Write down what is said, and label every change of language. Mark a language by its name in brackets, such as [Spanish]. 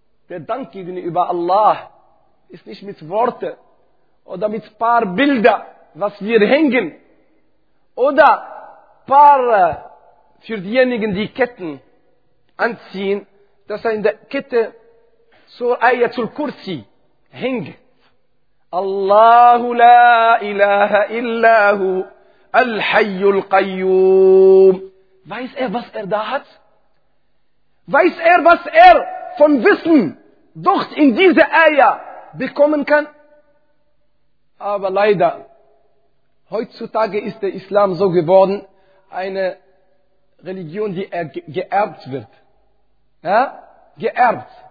[German] Der Dank gegenüber Allah ist nicht mit Worte oder mit ein paar Bilder, was wir hängen. Oder paar für diejenigen, die Ketten anziehen, dass er in der Kette zur Ayatul Kursi hängt. [Arabic] الله لا إله إلا هو الحي القيوم. [German] Weiß er, was er da hat? Weiß er, was er von Wissen dort in dieser Aya bekommen kann? Aber leider, heutzutage ist der Islam so geworden, eine Religion, die geerbt wird. Ja? Geerbt.